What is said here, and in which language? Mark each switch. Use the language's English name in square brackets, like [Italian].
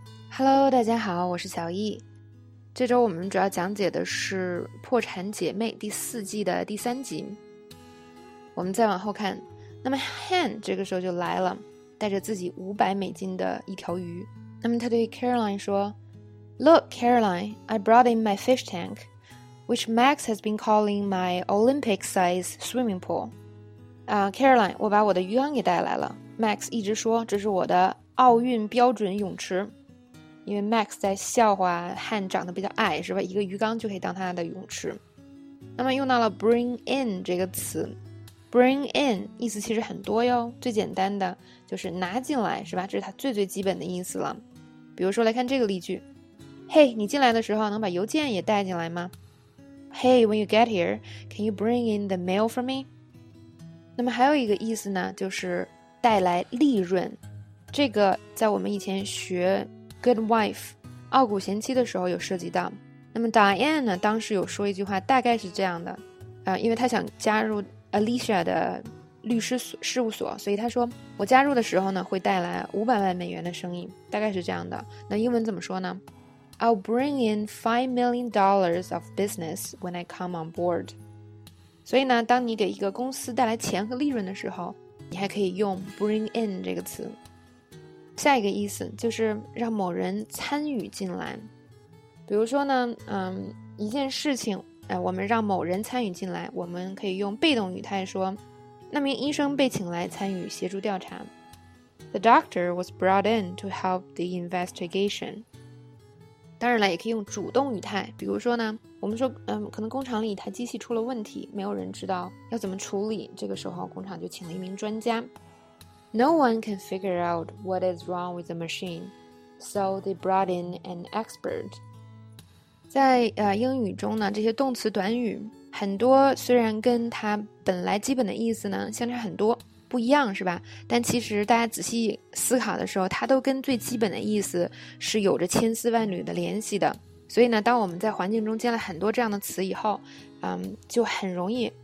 [Chinese] Hello，大家好，我是小易。这周我们主要讲解的是《破产姐妹》第四季的第三集。我们再往后看，那么 Han 这个时候就来了，带着自己500美金的一条鱼。那么他对 Caroline 说：“ [English] Look, Caroline, I brought in my fish tank, which Max has been calling my Olympic size swimming pool. [Chinese] 啊，Caroline，我把我的鱼缸给带来了。Max 一直说这是我的奥运标准泳池。” 因为 Max 在笑话 Han 长得比较矮，是吧？一个鱼缸就可以当他的泳池。那么用到了 bring in 这个词，bring in 意思其实很多哟。最简单的就是拿进来，是吧？这是它最最基本的意思了。比如说来看这个例句：Hey，你进来的时候能把邮件也带进来吗？ [English] Hey，when you get here，can you bring in the mail for me？ [Chinese] 那么还有一个意思呢，就是带来利润。这个在我们以前学。Good wife，傲骨贤妻的时候有涉及到。那么 Diane 呢，当时有说一句话，大概是这样的，因为她想加入 Alicia 的律师事务所，所以她说我加入的时候呢，会带来500万美元的生意，大概是这样的。那英文怎么说呢？ [English] I'll bring in $5 million of business when I come on board。 [Chinese] 所以呢，当你给一个公司带来钱和利润的时候，你还可以用 bring in 这个词。下一个意思就是让某人参与进来，比如说呢，一件事情，我们让某人参与进来，我们可以用被动语态说，那名医生被请来参与协助调查。 [English] The doctor was brought in to help the investigation。 [Chinese] 当然了，也可以用主动语态，比如说呢，我们说，可能工厂里一台机器出了问题，没有人知道要怎么处理，这个时候工厂就请了一名专家。 [English] No one can figure out what is wrong with the machine, so they brought in an expert. [Chinese] 在英语中呢，这些动词短语很多，虽然跟它本来基本的意思呢相差很多，不一样是吧？但其实大家仔细思考的时候，它都跟最基本的意思是有着千丝万缕的联系的。所以呢，当我们在环境中见了很多这样的词以后，就很容易。